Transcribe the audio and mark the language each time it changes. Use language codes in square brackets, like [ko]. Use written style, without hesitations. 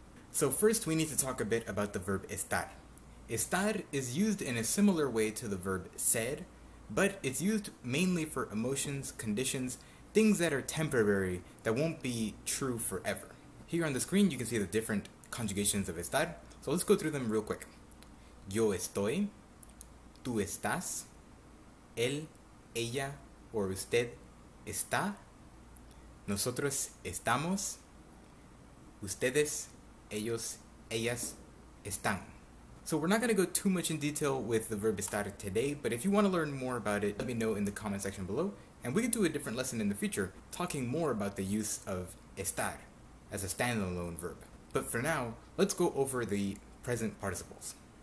[en] So first we need to talk a bit about the verb estar. Estar is used in a similar way to the verb ser, but it's used mainly for emotions, conditions, things that are temporary that won't be true forever. Here on the screen you can see the different conjugations of estar, so let's go through them real quick. [es] Yo estoy, tú estás, él, ella, or usted está, nosotros estamos, ustedes, ellos, ellas están. [en] So we're not going to go too much in detail with the verb estar today, but if you want to learn more about it, let me know in the comment section below, and we can do a different lesson in the future talking more about the use of estar as a standalone verb. But for now, let's go over the present participles.